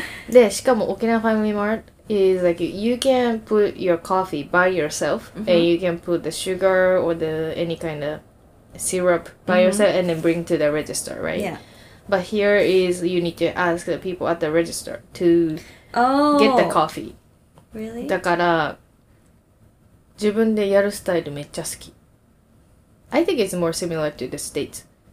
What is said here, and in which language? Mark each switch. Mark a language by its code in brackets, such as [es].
[ja] で、しかも [en] Okinawa Family Mart is like you can put your coffee by yourself、mm-hmm. and you can put the sugar or the any kind of syrup by、mm-hmm. yourself and then bring to the register, right? Yeah. But here is you need to ask the people at the register to、 oh. get the coffee. Really? [ja] だから自分でやるスタイルめっちゃ好き。 [en] I think it's more similar to the States.